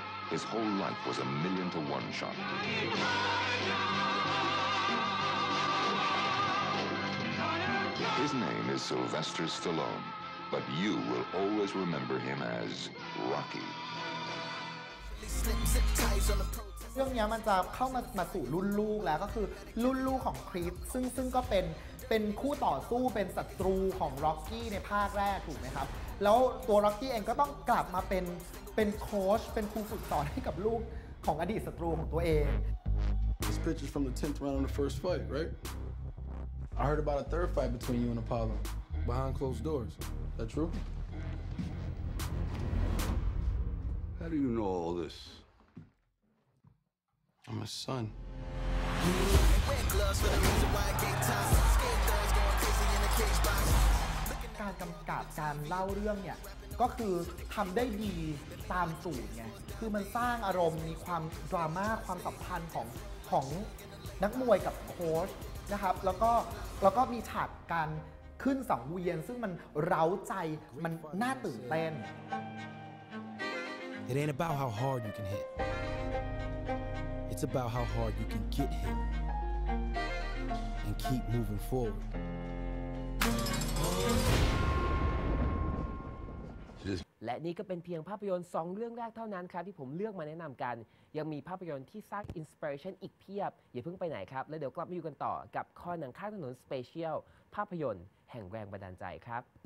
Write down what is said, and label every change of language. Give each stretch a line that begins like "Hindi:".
English: His whole life was a million to one shot. His name is Sylvester Stallone, but you will always remember him as Rocky.
Thai: เรื่องนี้มันจะเข้ามาสู่รุ่นลูกแล้วก็คือรุ่นลูกของคริสซึ่งก็เป็นคู่ต่อสู้เป็นศัตรูของร็อกกี้ในภาคแรกถูกไหมครับแล้วตัวร็อกกี้เองก็ต้องกลับมาเป็นโค้ชเป็นครูฝึกสอนให้กับลูกของอดีตศัตรูของตัวเอง
English: This pitch is from the 10th round of the first fight, right? I heard about a third fight between you and Apollo behind closed doors. Is that true? How do you know all this? I'm a son.
Thai: การกำกับการเล่าเรื่องเนี่ยก็คือทำได้ดีตามสูตรไงคือมันสร้างอารมณ์มีความดราม่าความสัมพันธ์ของนักมวยกับโค้ชนะครับแล้วก็มีฉากการขึ้นสองเวียนซึ่งมันเร้าใจมันน่าตื่นเต้น
English: It ain't about how hard you can hitIt's about how hard you can get hit and keep moving forward.
Thai: และนี่ก็เป็นเพียงภาพยนตร์2เรื่องแรกเท่านั้นครับที่ผมเลือกมาแนะนำกันยังมีภาพยนตร์ที่สร้างอินสปิเรชันอีกเพียบอย่าเพิ่งไปไหนครับแล้วเดี๋ยวกลับมาอยู่กันต่อกับข้อหนังข้างถนนสเปเชียลภาพยนตร์แห่งแรงบันดาลใจครับ